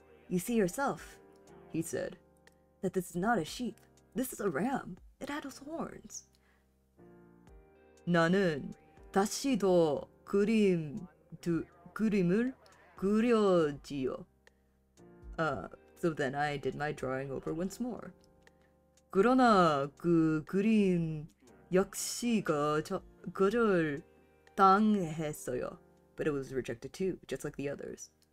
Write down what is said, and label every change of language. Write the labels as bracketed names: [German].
[English] You see yourself, he said, that this is not a sheep. This is a ram. It had its horns. [Korean] 나는 다시도 그림을 그려지요. [English] So then I did my drawing over once more. [Korean] 그러나 그 그림 역시 거절 당했어요. [English] But it was rejected too, just like the others.